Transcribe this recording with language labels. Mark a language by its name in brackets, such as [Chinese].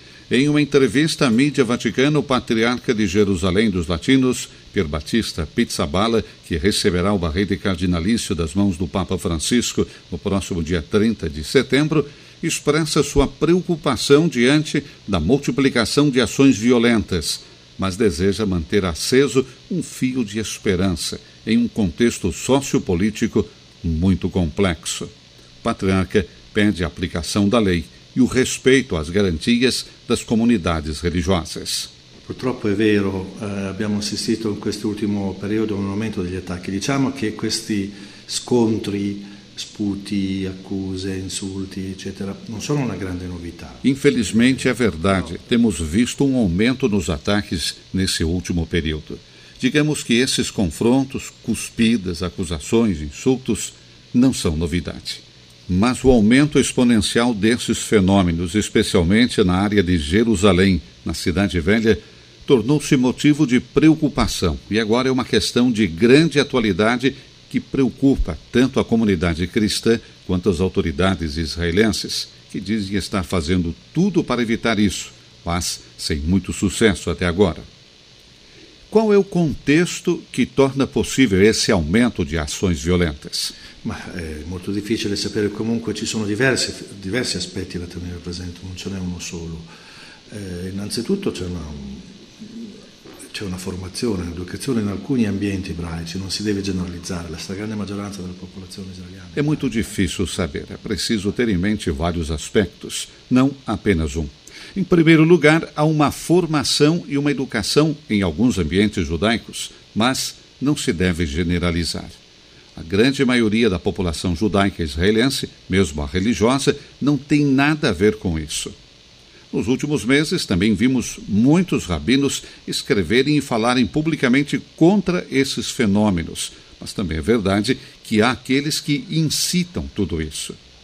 [Portuguese] Em uma entrevista à mídia vaticana, o patriarca de Jerusalém dos Latinos, Pier Battista Pizzaballa, que receberá o barrete cardinalício das mãos do Papa Francisco no próximo dia 30 de setembro, expressa sua preocupação diante da multiplicação de ações violentas, mas deseja manter aceso um fio de esperança em um contexto sociopolítico muito complexo. O patriarca pede a aplicação da lei e o respeito às garantias das comunidades religiosas. [Italian] Purtroppo è vero, abbiamo assistito in quest'ultimo periodo a un aumento degli attacchi. Diciamo che questi scontri, sputi, accuse, insulti, eccetera, non sono una grande novità. [Portuguese] Infelizmente è verdade, temos visto un aumento nos ataques nesse último período. Digamos que esses confrontos, cuspidas, acusações, insultos, não são novidade. Mas o aumento exponencial desses fenômenos, especialmente na área de Jerusalém, na Cidade Velha, tornou-se motivo de preocupação e agora é uma questão de grande atualidade que preocupa tanto a comunidade cristã quanto as autoridades israelenses, que dizem estar fazendo tudo para evitar isso, mas sem muito sucesso até agora. Qual é o contexto que torna possível esse aumento de ações violentas? [Italian] Ma è molto difficile sapere, comunque ci sono diversi aspetti da tenere presente, non ce n'è uno solo. Innanzitutto c'è una formazione, un'educazione in alcuni ambienti ebraici, non si deve generalizzare, la stragrande maggioranza della popolazione israeliana. È molto difficile sapere, è preciso tenere in mente vari aspetti, non apenas uno. [Portuguese] Em primeiro lugar, há uma formação e uma educação em alguns ambientes judaicos, mas não se deve generalizar. A grande maioria da população judaica israelense, mesmo a religiosa, não tem nada a ver com isso. Nos últimos meses, também vimos muitos rabinos escreverem e falarem publicamente contra esses fenômenos, mas também é verdade que há aqueles que incitam tudo isso.